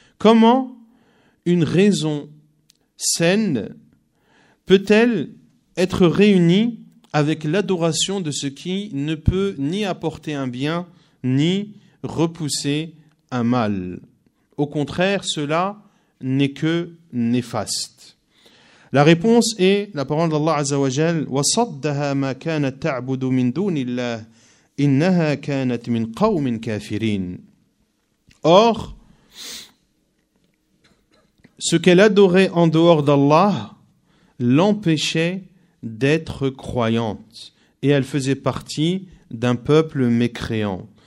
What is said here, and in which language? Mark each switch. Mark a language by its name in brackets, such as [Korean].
[French] Comment une raison saine peut-elle être réunie avec l'adoration de ce qui ne peut ni apporter un bien, ni repousser un mal ? Au contraire, cela n'est que néfaste. La réponse est la parole d'Allah [Arabic] Azza wa Jal, وَصَدَّهَا مَا كَانَتْ تَعْبُدُ مِنْ دُونِ اللَّهِ إِنَّهَا كَانَتْ مِنْ قَوْمٍ كَافِرِينَ. [French] Or, ce qu'elle adorait en dehors d'Allah l'empêchait d'être croyante et elle faisait partie d'un peuple mécréant.